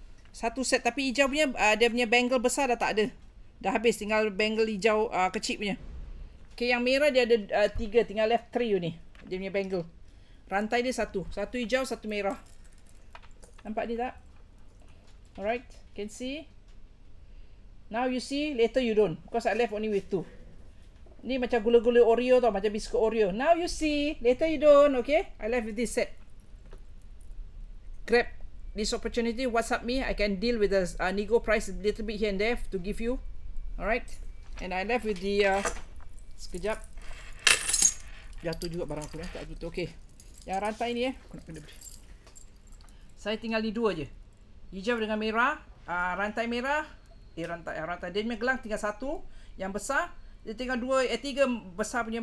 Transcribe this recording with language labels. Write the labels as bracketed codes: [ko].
[ms] Satu set, tapi hijau punya dia punya bangle besar dah tak ada. Dah habis, tinggal bangle hijau kecil punya. Okey, yang merah dia ada tiga, tinggal [en] left three [ms] ni. Dia punya bangle. Rantai dia satu, satu hijau, satu merah. Nampak ni tak? [en] Alright, can see. Now you see, later you don't, because I left only with two. [ms] Ni macam gula-gula Oreo tau, macam biskut Oreo. [en] Now you see, later you don't, okay? I left with this set. Grab this opportunity, WhatsApp me. I can deal with the nego price a little bit here and there to give you. Alright? And I left with the, [ms] sekejap. Jatuh juga barang aku ni, tak jatuh. Okay. Yang rantai ni aku nak kena beri. Saya tinggal ni dua je. Hijau dengan merah. Rantai merah. Rantai. Dia punya gelang tinggal satu. Yang besar. Dia tinggal dua, tiga besar punya.